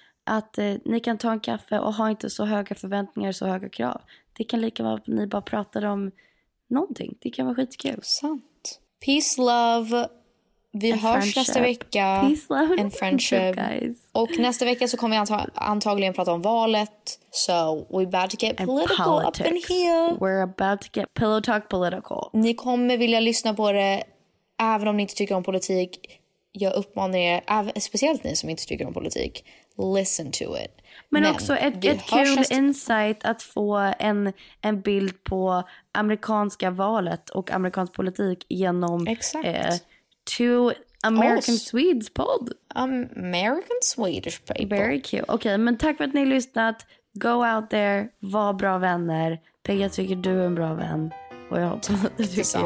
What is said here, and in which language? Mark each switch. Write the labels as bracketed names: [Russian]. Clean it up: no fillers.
[Swedish] Att ni kan ta en kaffe och ha inte så höga förväntningar, så höga krav. Det kan lika vara att ni bara pratar om någonting. Det kan vara skitkul. Sant. [English] Peace, love. [Swedish] Vi hörs nästa vecka. [English] Peace, love. And friendship. Guys. [Swedish] Och nästa vecka så kommer vi antagligen prata om valet. [English] So we're about to get political up in here. We're about to get pillow talk political. [Swedish] Ni kommer vilja lyssna på det även om ni inte tycker om politik. Jag uppmanar er, speciellt ni som inte tycker om politik, [English] listen to it. [Swedish] Men också ett kul insight att få en bild på amerikanska valet och amerikansk politik genom [English] two American Swedes pod. American Swedish people. Very cute. [Swedish] Okej, men tack för att ni har lyssnat. [English] Go out there, [Swedish] var bra vänner. Peggy, jag tycker du är en bra vän. Och jag hoppas att du tycker detsamma.